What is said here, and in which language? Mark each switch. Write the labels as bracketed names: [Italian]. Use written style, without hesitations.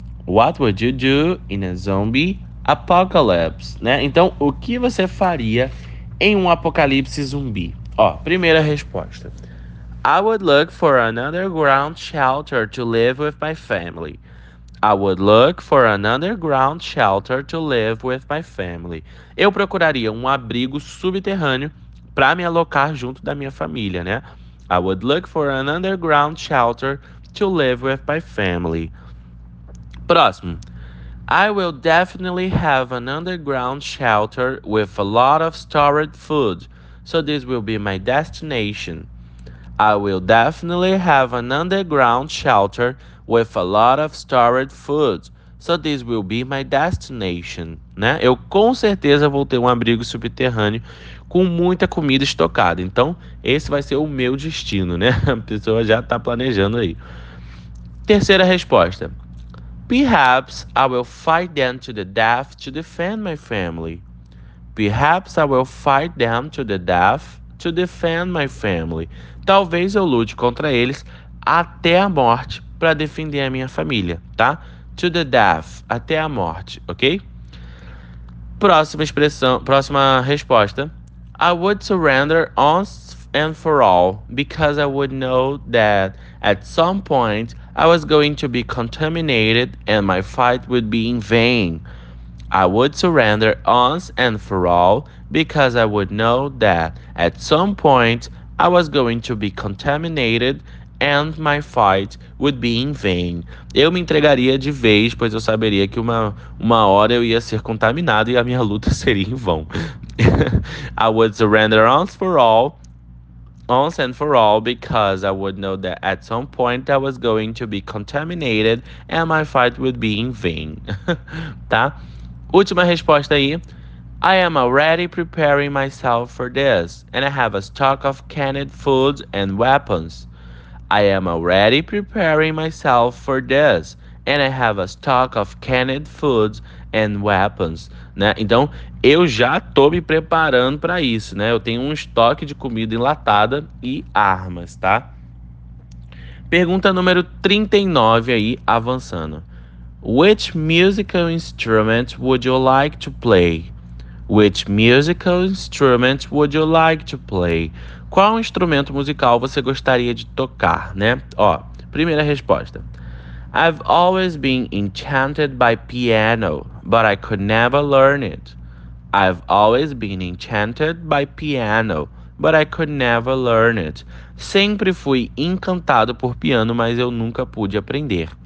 [English] What would you do in a zombie apocalypse? [Portuguese] Né? Então, o que você faria em um apocalipse zumbi? Primeira resposta. [English] I would look for another ground shelter to live with my family. I would look for another ground shelter to live with my family. [Portuguese] Eu procuraria um abrigo subterrâneo para me alocar junto da minha família, né? [English] I would look for an underground shelter to live with my family. [Portuguese] Próximo. [English] I will definitely have an underground shelter with a lot of stored food, so this will be my destination. I will definitely have an underground shelter with a lot of stored food, so this will be my destination. [Portuguese] Né? Eu com certeza vou ter um abrigo subterrâneo com muita comida estocada. Então, esse vai ser o meu destino, né? A pessoa já está planejando aí. Terceira resposta. [English] Perhaps I will fight them to the death to defend my family. Perhaps I will fight them to the death to defend my family. [Portuguese] Talvez eu lute contra eles até a morte para defender a minha família, tá? [English] To the death, [Portuguese] até a morte, ok? Próxima expressão, próxima resposta. [English] I would surrender once and for all because I would know that at some point I was going to be contaminated and my fight would be in vain. I would surrender once and for all because I would know that at some point I was going to be contaminated and my fight would be in vain. [Portuguese] Eu me entregaria de vez, pois eu saberia que uma hora eu ia ser contaminado e a minha luta seria em vão. [English] I would surrender once and for all, because I would know that at some point I was going to be contaminated and my fight would be in vain. [Portuguese] Tá? Última resposta aí. [English] I am already preparing myself for this, and I have a stock of canned food and weapons. I am already preparing myself for this, and I have a stock of canned food and weapons. [Portuguese] Né? Então, eu já tô me preparando para isso, né? Eu tenho um estoque de comida enlatada e armas, tá? Pergunta número 39 aí, avançando. [English] Which musical instrument would you like to play? Which musical instrument would you like to play? [Portuguese] Qual instrumento musical você gostaria de tocar, né? Ó, primeira resposta. [English] I've always been enchanted by piano, but I could never learn it. I've always been enchanted by piano, but I could never learn it. [Portuguese] Sempre fui encantado por piano, mas eu nunca pude aprender.